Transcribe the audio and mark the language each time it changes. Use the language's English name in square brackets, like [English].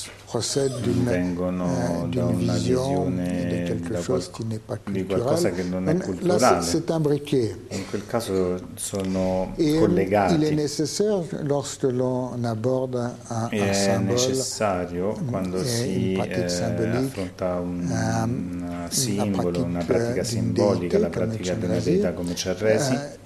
[Italian] procedono vengono da una visione di qualcosa che non è culturale. [French] C'est imbriqué. [Italian] In quel caso sono collegati. [French] Il est nécessaire lorsque l'on aborde un symbole. [Italian] È necessario quando si affronta un simbolo, una pratica simbolica, la pratica della deità come Cervesi,